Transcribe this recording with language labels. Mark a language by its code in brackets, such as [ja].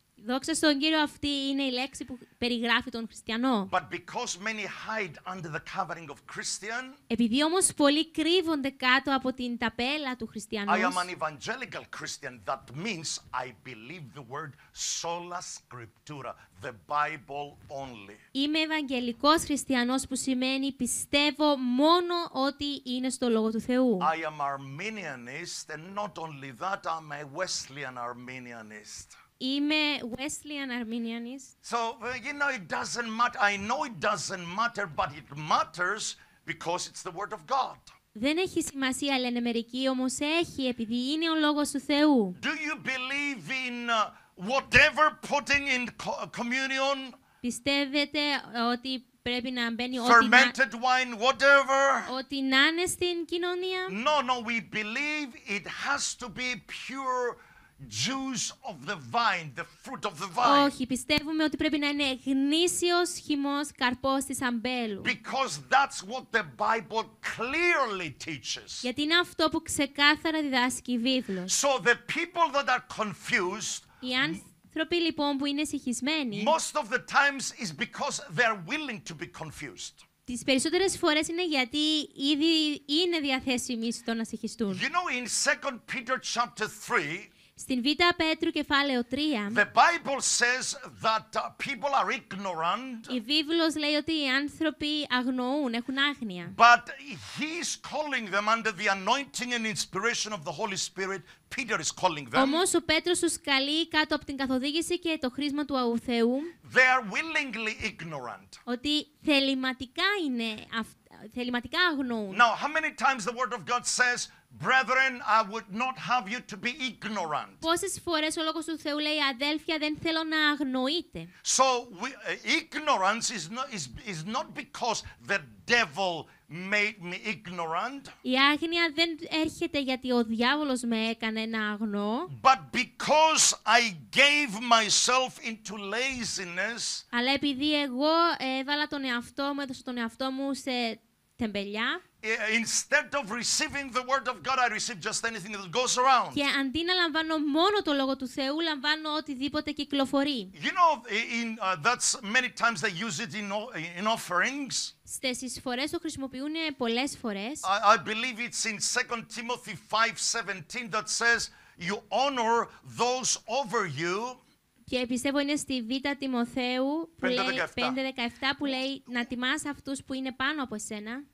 [el] Δόξα στον Κύριο, αυτή είναι η λέξη που περιγράφει τον Χριστιανό. [en] But because many hide under the covering of Christian, [el] επειδή όμως πολλοί κρύβονται κάτω από την ταπέλα του Χριστιανού, [en] I am an evangelical Christian. That means I believe the word sola scriptura, the Bible only. [el] Είμαι ευαγγελικός Χριστιανός, που σημαίνει πιστεύω μόνο ότι είναι στο Λόγο του Θεού. [en] I am Armenianist, and not only that, I'm a Wesleyan Armenianist. [el] Είμαι Wesleyan Armenianist. [en] So, it doesn't matter. I know it doesn't matter, but it matters because it's the word of God. [el] Δεν έχει σημασία, λένε μερικοί, όμως έχει, επειδή είναι ο λόγος του Θεού. [en] Do you believe in whatever putting in communion? [el] Πιστεύετε ότι πρέπει να μπαίνει [en] fermented wine, whatever. [el] Ότι να είναι στην κοινωνία? [en] No, we believe it has to be pure juice of the vine, the fruit of the vine. [el] Όχι, πιστεύουμε ότι πρέπει να είναι γνήσιος χυμός καρπός της αμπέλου. [en] Because that's what the Bible clearly teaches. [el] Γιατί είναι αυτό που ξεκάθαρα διδάσκει η Βίβλος. [en] So the people that are confused. [el] Οι άνθρωποι λοιπόν που είναι συχισμένοι. [en] Most of the times is because they are willing to be confused. [el] Τις περισσότερες φορές είναι γιατί ήδη είναι διαθέσιμοι στο να συχιστούν. [en] You know, in 2 Peter chapter 3. [el] Στην Β' Πέτρου κεφάλαιο 3. [en] The Bible says that people are ignorant. [el] Η Βίβλος λέει ότι οι άνθρωποι αγνοούν, έχουν άγνοια. [en] But he is calling them under the anointing and inspiration of the Holy Spirit. Peter is calling them. [el] Όμως ο Πέτρος τους καλεί κάτω από την καθοδήγηση και το χρίσμα του Αγίου Θεού. [en] They are willingly ignorant. [el] Ότι θεληματικά είναι θεληματικά αγνοούν. [en] Now, how many times the word of God says, brethren, I would not have you to be ignorant. [el] Πόσες φορές ο λόγος του Θεού λέει, αδέλφια, δεν θέλω να αγνοείτε. [en] So ignorance is not because the devil made me ignorant. [el] Η άγνοια δεν έρχεται γιατί ο διάβολος με έκανε να αγνοώ. [en] But because I gave myself into laziness. [el] Αλλά επειδή εγώ έβαλα τον εαυτό μου, έδωσα τον εαυτό μου σε τεμπελιά. [en] Instead of receiving the word of God, I receive just anything that goes around. [el] Και αντί να λαμβάνω μόνο το λόγο του Θεού, λαμβάνω οτιδήποτε κυκλοφορεί. [en] You know, that's many times they use it in offerings. [el] Στις εισφορές το χρησιμοποιούν πολλές φορές. [en] I believe it's in 2 Timothy 5:17 that says you honor those over you. [el] Και πιστεύω είναι στη Β' Τιμοθέου 5:17 που λέει να τιμάς αυτούς που είναι πάνω από εσένα.